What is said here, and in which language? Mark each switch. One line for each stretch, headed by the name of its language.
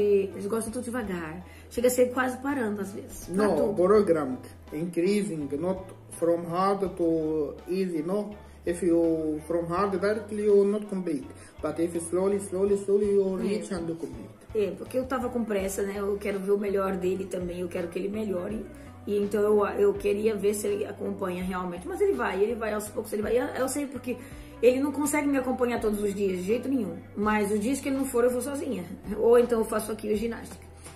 Portuguese: Eles gostam tudo devagar. Chega a ser quase parando às vezes.
English: No, program increasing, not from hard to easy, no. If you from hard directly, you not complete. But if slowly, slowly, slowly, you reach and complete.
Portuguese: Porque eu tava com pressa, né? Eu quero ver o melhor dele também, eu quero que ele melhore. E então eu queria ver se ele acompanha realmente. Mas ele vai aos poucos, ele vai. Eu sei porque ele não consegue me acompanhar todos os dias, de jeito nenhum. Mas os dias que ele não for, eu vou sozinha. Ou então eu faço aqui o ginástica.